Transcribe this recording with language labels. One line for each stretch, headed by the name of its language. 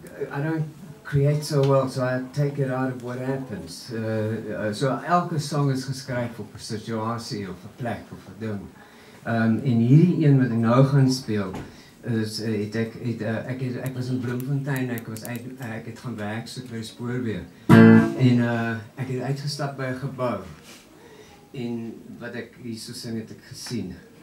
English: I don't create so well, so I take it out of what happens.
Afrikaans: So elke song is geskryf op 'n situasie of 'n plek of 'n ding. En hierdie een wat ek nou gaan speel, ek was in Bloemfontein, ek het gaan werk soek by spoorweë. En ek het uitgestap by 'n gebou. En wat ek hier so sing het ek gesien.